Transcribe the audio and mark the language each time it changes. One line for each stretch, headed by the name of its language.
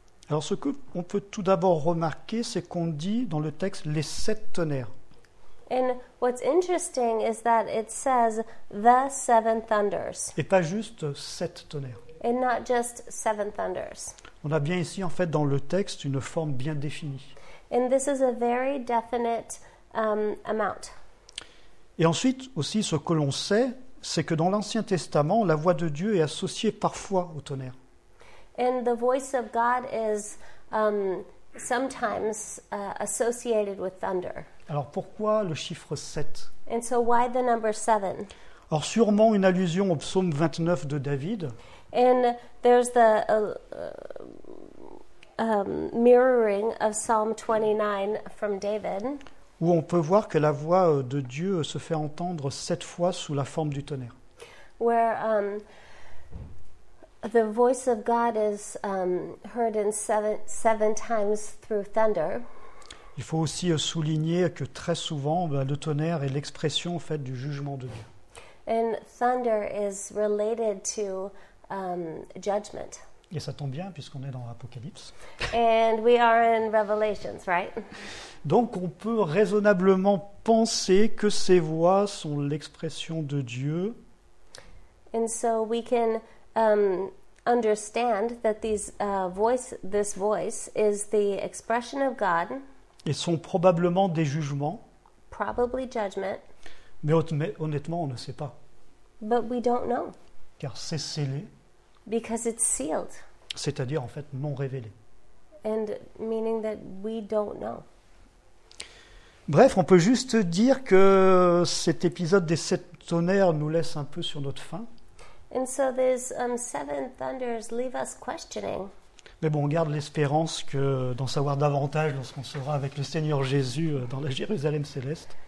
French: Alors ce que on peut tout d'abord remarquer, c'est qu'on dit dans le texte les sept tonnerres.
English: And what's interesting is that it says the seven thunders.
French: Et pas juste sept tonnerres.
English: And not just seven thunders.
French: On a bien ici en fait dans le texte une forme bien définie.
English: And this is a very definite amount.
French: Et ensuite aussi ce que l'on sait, c'est que dans l'Ancien Testament, la voix de Dieu est associée parfois au tonnerre.
English: And the voice of God is sometimes associated with thunder.
French: Alors pourquoi le chiffre 7?
English: And so why the number 7?
French: Or sûrement une allusion au psaume 29 de David.
English: And there's the mirroring of Psalm 29 from David.
French: Où on peut voir que la voix de Dieu se fait entendre sept fois sous la forme du tonnerre.
English: Where the voice of God is heard in seven times through thunder.
French: Il faut aussi souligner que très souvent, le tonnerre est l'expression en fait du jugement de Dieu.
English: And thunder is related to judgment.
French: Et ça tombe bien puisqu'on est dans l'Apocalypse.
English: And we are in Revelations, right?
French: Donc on peut raisonnablement penser que ces voix sont l'expression de Dieu.
English: And so we can understand that this voice is the expression of God.
French: Ils sont probablement des jugements.
English: Probably judgment.
French: Mais honnêtement, on ne sait pas.
English: But we don't know.
French: Car c'est scellé.
English: Because it's sealed.
French: C'est-à-dire en fait non révélé.
English: And meaning that we don't know.
French: Bref, on peut juste dire que cet épisode des sept tonnerres nous laisse un peu sur notre faim.
English: And so these seven thunders leave us questioning.
French: Mais bon, on garde l'espérance que d'en savoir davantage lorsqu'on sera avec le Seigneur Jésus dans la Jérusalem céleste.